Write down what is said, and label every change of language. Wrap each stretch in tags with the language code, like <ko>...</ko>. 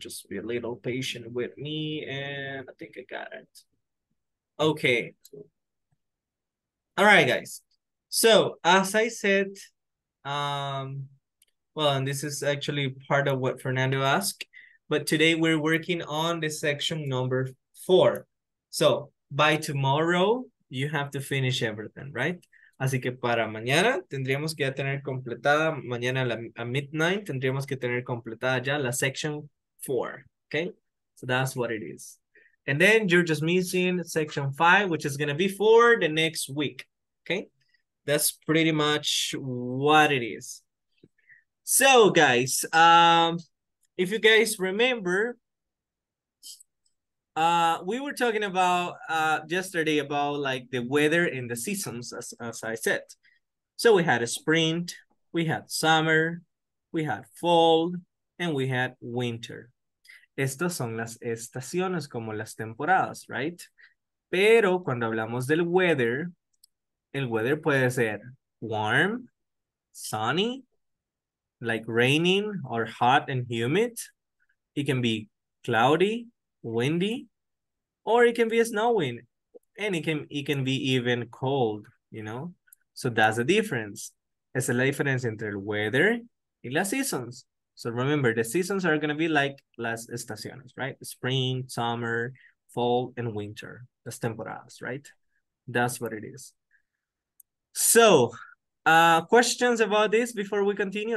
<en>Just be a little patient with me. And I think I got it. Okay. All right, guys. So as I said, well, and this is actually part of what Fernando asked, but today we're working on the section number 4. So by tomorrow, you have to finish everything, right?</en> <es>Así que para mañana, tendríamos que ya tener completada, mañana a midnight, tendríamos que tener completada ya la section 4, okay?</es> <en>So that's what it is. And then you're just missing section 5, which is going to be for the next week, okay? That's pretty much what it is. So, guys, if you guys remember, we were talking about yesterday about like the weather and the seasons, as I said. So we had a spring, we had summer, we had fall, and we had winter.</en> <es>Estas son las estaciones, como las temporadas, right? Pero cuando hablamos del weather, el weather puede ser warm, sunny, like raining or hot and humid.</es> <en>It can be cloudy, windy, or it can be snowing, and it can be even cold, you know? So that's the difference.</en> <es>Esa es la diferencia entre el weather y las seasons.</es> <en>So remember, the seasons are going to be like las estaciones, right? Spring, summer, fall, and winter. Las temporadas, right? That's what it is. So, questions about this before we continue?</en>